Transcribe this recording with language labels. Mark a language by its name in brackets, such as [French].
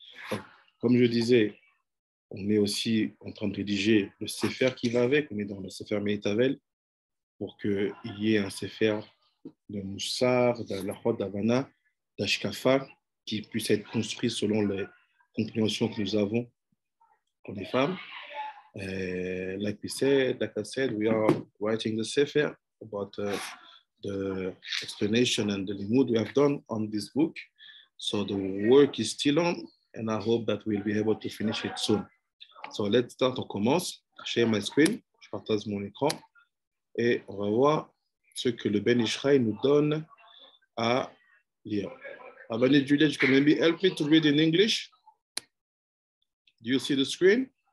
[French] Donc, comme je disais, on est aussi en train de rédiger le Sefer qui va avec. On est dans le Sefer Meitavel pour qu'il y ait un Sefer de Moussar, de l'Achot, d'Avana, d'Ashkafa, qui puisse être construit selon les compréhensions que nous avons pour les femmes. [English] Like we said, we are writing the Sefer about the explanation and the limud we have done on this book. So the work is still on, and I hope that we'll be able to finish it soon. So let's start, [French] on commence. [English] Share my screen, [French] je partage mon écran, et on va voir ce que le Ben Ishraï nous donne à lire. [English] Avani Juliette, you can maybe help me to read in English? Do you see the screen?